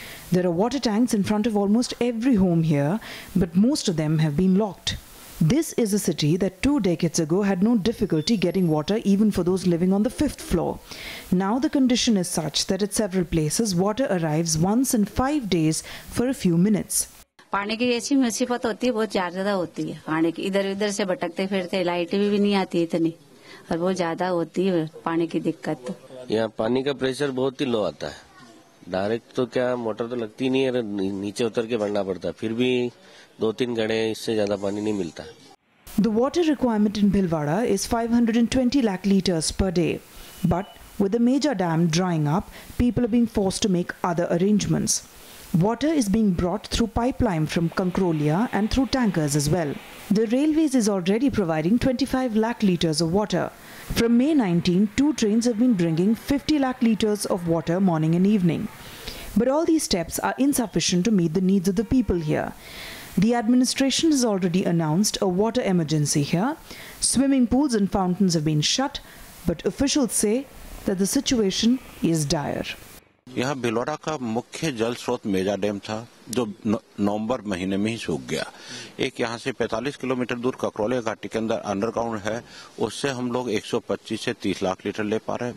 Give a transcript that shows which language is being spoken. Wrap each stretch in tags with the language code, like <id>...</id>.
<en>There are water tanks in front of almost every home here, but most of them have been locked. This is a city that 2 decades ago had no difficulty getting water even for those living on the 5th floor. Now the condition is such that at several places water arrives once in 5 days for a few minutes.</en> <hi>पानी की ऐसी मुसीबत होती है, बहुत ज्यादा होती है पानी की, इधर उधर से भटकते फिरते, लाइट भी नहीं आती इतनी, और बहुत ज्यादा होती है पानी की दिक्कत। यहाँ पानी का प्रेशर बहुत ही लो आता है, डायरेक्ट तो क्या मोटर तो लगती नहीं है, नीचे उतर के भरना पड़ता, फिर भी दो तीन घड़े इससे ज्यादा पानी नहीं मिलता।</hi> <en>The water requirement in Bhilwara is 520 lakh liters per day. But with a major dam drying up, people are being forced to make other arrangements. Water is being brought through pipeline from Kankrolia and through tankers as well. The railways is already providing 25 lakh liters of water. From May 19, 2 trains have been bringing 50 lakh liters of water morning and evening. But all these steps are insufficient to meet the needs of the people here. The administration has already announced a water emergency here. Swimming pools and fountains have been shut, but officials say that the situation is dire.</en> <hi>यहाँ भिलवाड़ा का मुख्य जल स्रोत मेजा dam था जो नवंबर महीने में ही सूख गया. एक यहाँ से 45 किलोमीटर दूर ककरौले घाटी के अंदर अंडरग्राउंड है, उससे हम लोग 125 से 30 लाख लीटर ले पा रहे हैं.</hi>